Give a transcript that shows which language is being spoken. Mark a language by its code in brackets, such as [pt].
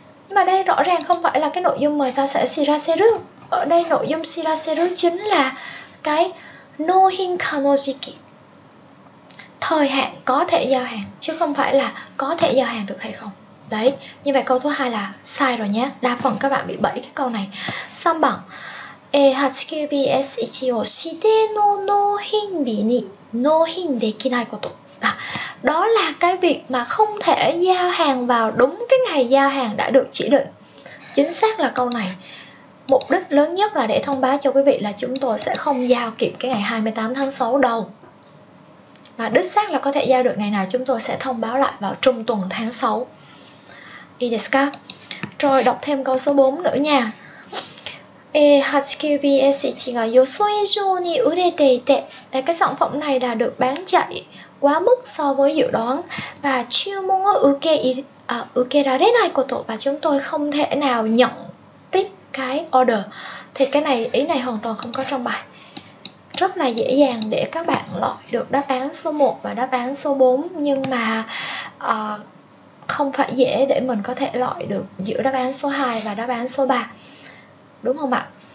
[vi] Nhưng mà đây rõ ràng không phải là cái nội dung mà người ta sẽ shiraseru. Ở đây nội dung shiraseru chính là cái nohinka no jiki, thời hạn có thể giao hàng, chứ không phải là có thể giao hàng được hay không. Đấy, như vậy câu thứ hai là sai rồi nhé. Đa phần các bạn bị bẫy cái câu này. [ja] 3번 89BS1を 指定の納品日に納品できないこと. [vi] Đó là cái việc mà không thể giao hàng vào đúng cái ngày giao hàng đã được chỉ định. Chính xác là câu này. Mục đích lớn nhất là để thông báo cho quý vị là chúng tôi sẽ không giao kịp cái ngày 28 tháng 6 đâu. Mà đích xác là có thể giao được ngày nào, chúng tôi sẽ thông báo lại vào trung tuần tháng 6. [ja] いいですか? [vi] Rồi đọc thêm câu số 4 nữa nha. [ja] A89BS1が 予想以上に売れていて. [vi] Đấy, cái sản phẩm này là được bán chạy quá mức so với dự đoán. Và [ja] 注文を受けられないこと. [vi] Và chúng tôi không thể nào nhận tiếp cái order. Thì cái này, ý này hoàn toàn không có trong bài. Rất là dễ dàng để các bạn loại được đáp án số 1 và đáp án số 4. Nhưng mà không phải dễ để mình có thể loại được giữa đáp án số 2 và đáp án số 3. Đúng không ạ?